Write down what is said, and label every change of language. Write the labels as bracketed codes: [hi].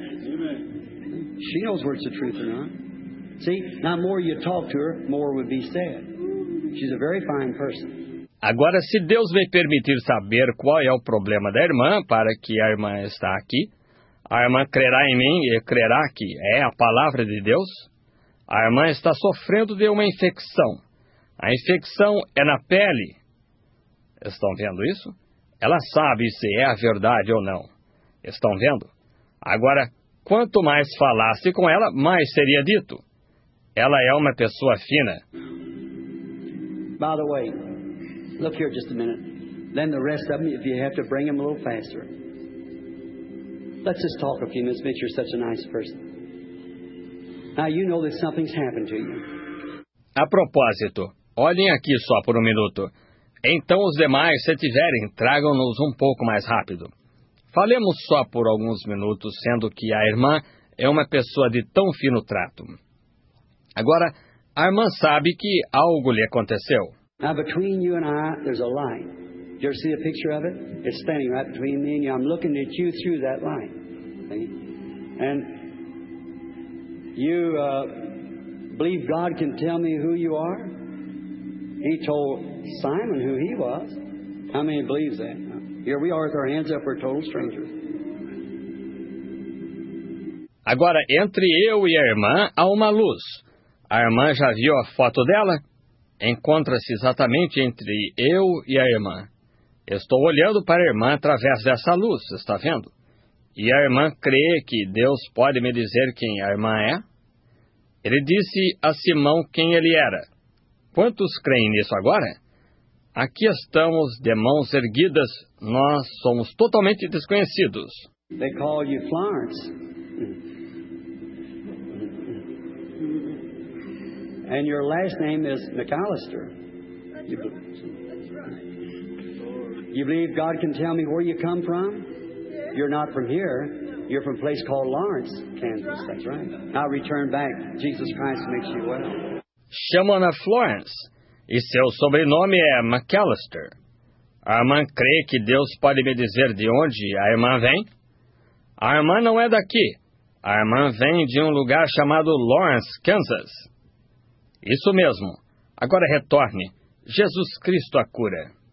[en] Amen. She knows where it's the truth or not. See, now more you talk to her, more would be said. She's a very fine person. [pt] Agora, se Deus me permitir saber qual é o problema da irmã, para que a irmã está aqui, a irmã crerá em mim e crerá que é a palavra de Deus? A irmã está sofrendo de uma infecção. A infecção é na pele. Estão vendo isso? Ela sabe se é a verdade ou não. Estão vendo? Agora, quanto mais falasse com ela, mais seria dito. Ela é uma pessoa fina. [en] By the way, look here just a minute. Then the rest of them, if you have to bring them a little faster. Let's just talk a few minutes, Mitch. You're such a nice person. Now you know that something's happened to you. [pt] A propósito, olhem aqui só por um minuto. Então os demais, se tiverem, tragam-nos um pouco mais rápido. Falemos só por alguns minutos, sendo que a irmã é uma pessoa de tão fino trato. Agora, a irmã sabe que algo lhe aconteceu. [en] Now between you and I, there's a line. Did you ever see a picture of it? It's standing right between me and you. I'm looking at you through that line. And you believe God can tell me who you are? He told Simon who he was. How many believes that? Here we are with our hands up, we're total strangers. [pt] Agora, entre eu e a irmã, há uma luz. A irmã já viu a foto dela? Encontra-se exatamente entre eu e a irmã. Estou olhando para a irmã através dessa luz, está vendo? E a irmã crê que Deus pode me dizer quem a irmã é? Ele disse a Simão quem ele era. Quantos creem nisso agora? Aqui estamos, de mãos erguidas, nós somos totalmente desconhecidos. [en] They call you Florence. And your last name is McAllister. You believe God can tell me where you come from? Yes. You're not from here. No. You're from a place called Lawrence, Kansas. That's right. That's right. Now return back. Jesus Christ makes you well. [pt] Chamam-na Florence, e seu sobrenome é McAllister. A irmã crê que Deus pode me dizer de onde a irmã vem? A irmã não é daqui. A irmã vem de um lugar chamado Lawrence, Kansas. Isso mesmo. Agora retorne. Jesus Cristo a cura.